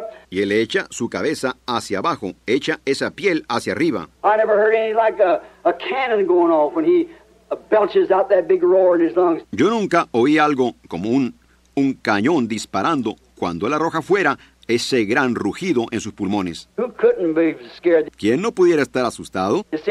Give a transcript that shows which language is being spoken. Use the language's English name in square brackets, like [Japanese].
[Spanish] Y él echa su cabeza hacia abajo, echa esa piel hacia arriba. [English] I never heard anything like a cannon going off when he belches out that big roar in his lungs. [Spanish] Yo nunca oí algo como un cañón disparando cuando él arroja fuera ese gran rugido en sus pulmones. [English] Who couldn't be scared? [Spanish] ¿Quién no pudiera estar asustado?